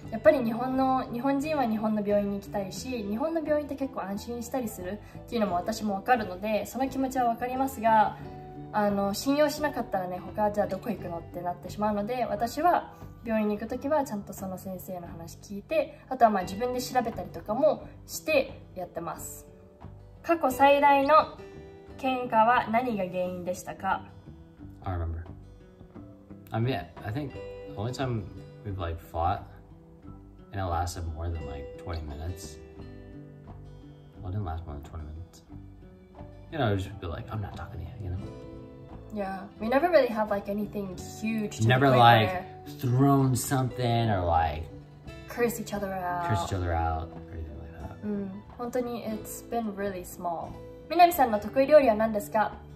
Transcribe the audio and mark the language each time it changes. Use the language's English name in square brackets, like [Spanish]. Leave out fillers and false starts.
[Japanese] やっぱり日本人は日本の病院に行きたいし、日本の病院って結構安心したりするっていうのも私もわかるので、その気持ちはわかりますが、信用しなかったらね、他じゃあどこ行くのってなってしまうので、私は病院に行くときはちゃんとその先生の話聞いて、あとはまあ自分で調べたりとかもしてやってます。過去最大の喧嘩は何が原因でしたか? [English] I don't remember. I mean, I think the only time we've like fought and it lasted more than like 20 minutes. Well, it didn't last more than 20 minutes. You know, it would just be like, I'm not talking to you, you know? Yeah, we never really have like anything huge to Never like thrown something or like curse each other out. Curse each other out or anything like that. [Japanese] 本当に [English] it's been really small. [Japanese] みなみさんの得意料理は何ですか?